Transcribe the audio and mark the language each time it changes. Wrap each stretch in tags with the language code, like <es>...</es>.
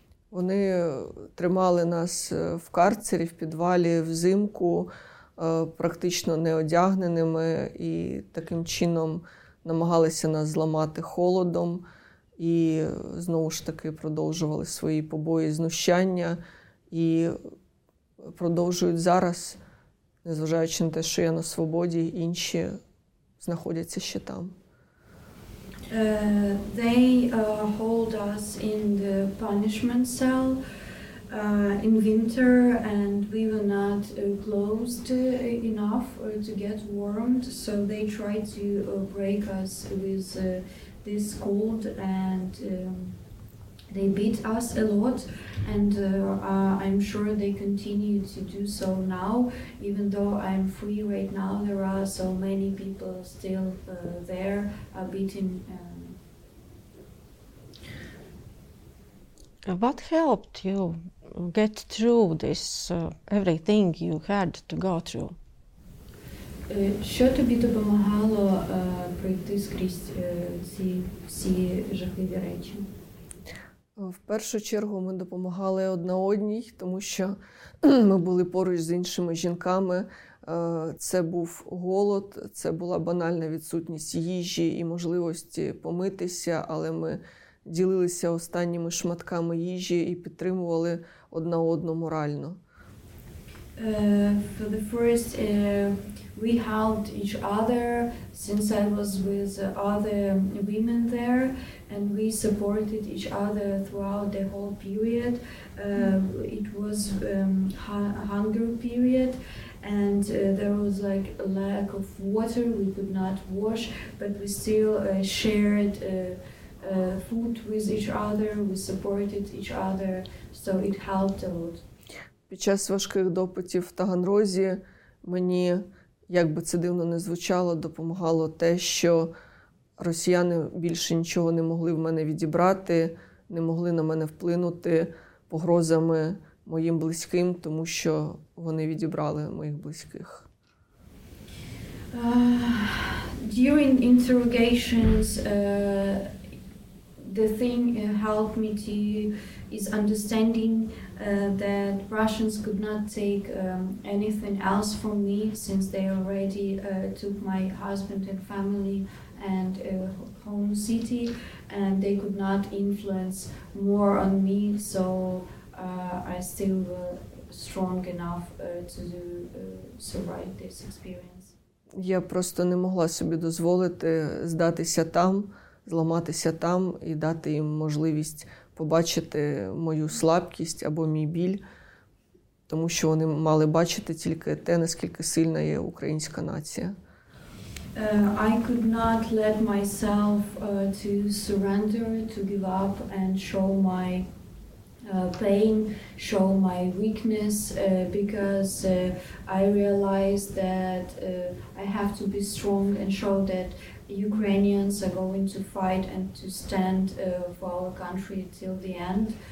<uk>Вони тримали нас в карцері, в підвалі взимку, практично неодягненими і таким чином намагалися нас зламати холодом і знову ж таки продовжували свої побої, знущання і продовжують зараз, незважаючи на те, що я на свободі, інші знаходяться ще там.</uk> <en>They hold us in the punishment cell in winter, and we were not closed enough to get warmed, so they try to break us with this cold, and they beat us a lot, and I'm sure they continue to do so now. Even though I'm free right now, there are so many people still there beating. What helped you get through this everything you had to go through?</en> <uk>Що тобі допомагало пройти скрізь ці жахливі речі? В першу чергу ми допомагали одна одній, тому що ми були поруч з іншими жінками. Це був голод, це була банальна відсутність їжі і можливості помитися, але ми ділилися останніми шматками їжі і підтримували одна одну морально.</uk> <en>For the first, we helped each other since I was with other women there, and we supported each other throughout the whole period. It was hunger period, and there was like a lack of water. We could not wash, but we still shared food with each other. We supported each other, so it helped a lot.</en> <uk>Під час важких допитів в Таганрозі мені, як би це дивно не звучало, допомагало те, що росіяни більше нічого не могли в мене відібрати, не могли на мене вплинути погрозами моїм близьким, тому що вони відібрали моїх близьких.</uk> <en>During interrogations, the thing helped me to is understanding that Russians could not take anything else from me, since they already took my husband and family and home city, and they could not influence more on me, so I still were strong enough to survive this experience.</en> <uk>Я просто не могла собі дозволити здатися там, зламатися там і дати їм можливість побачити мою слабкість або мій біль, тому що вони мали бачити тільки те, наскільки сильна є українська нація.</uk> <en>I could not let myself to surrender, to give up and show my pain, show my weakness, because I realized that I have to be strong and show that Ukrainians are going to fight and to stand for our country till the end.</en>